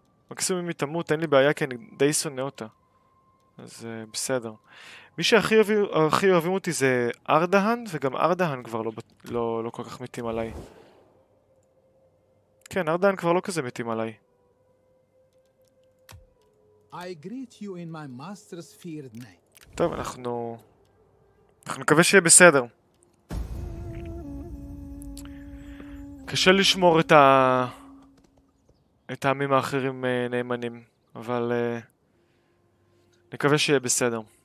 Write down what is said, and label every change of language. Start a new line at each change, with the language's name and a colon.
Hebrew: מקסימום אם היא תמות, אין לי בעיה כי אני די שונא אותה. אז בסדר. מי שהכי אוהבים אותי זה ארדהן, וגם ארדהן כבר לא כל כך מתאים עליי. כן, ארדהן כבר לא כזה מתאים עליי.
English: I greet you in my master's feared name.
Hebrew: טוב, אנחנו מקווה שיהיה בסדר. קשה לשמור את את העמים האחרים נאמנים, אבל נקווה שיהיה בסדר.